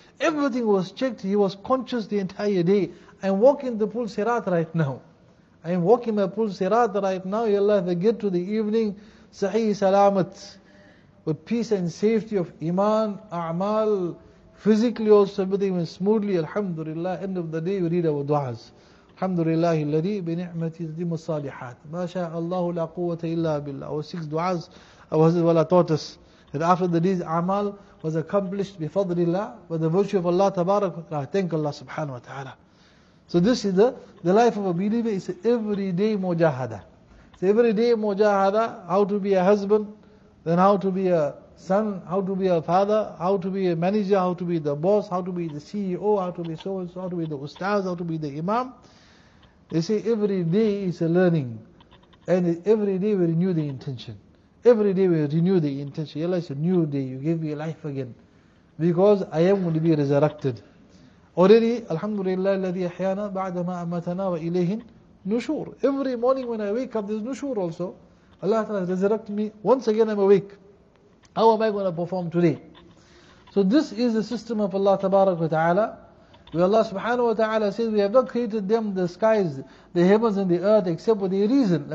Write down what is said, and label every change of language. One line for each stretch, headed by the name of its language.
English: Everything was checked, he was conscious the entire day. I'm walking the pool sirat right now. I'm walking my pool sirat right now. Ya Allah, if I get to the evening, sahih salamat. With peace and safety of iman, a'mal, physically also everything went smoothly, alhamdulillah. End of the day, we read our du'as.
Arabic: Alhamdulillah, الذي بنعمة يتم الصالحات ما شاء الله لا قوة إلا بالله.
English: Our six du'as, our Hazrat Wala taught us that after the day's a'mal was accomplished by fadlillah, by the virtue of Allah tabarak wa ta'ala, thank Allah subhanahu wa ta'ala. So this is the life of a believer, is every day mujahada. It's every day mujahada, how to be a husband, then how to be a son, how to be a father, how to be a manager, how to be the boss, how to be the CEO, how to be so and so, how to be the ustaz, how to be the imam. They say every day is a learning. And every day we renew the intention. Every day we renew the intention. Ya Allah, it's a new day. You gave me life again. Because I am going to be resurrected.
Arabic: Already, alhamdulillah, الَّذِي أَحْيَانَا بَعْدَ مَا أَمَتَنَا وَإِلَيْهِنْ نُشُور.
English: Every morning when I wake up, there's nushur also. Allah has resurrected me. Once again, I'm awake. How am I going to perform today? So this is the system of Allah tabarak wa ta'ala. Where Allah subhanahu wa ta'ala says, we have not created them, the skies, the heavens and the earth, except with a reason.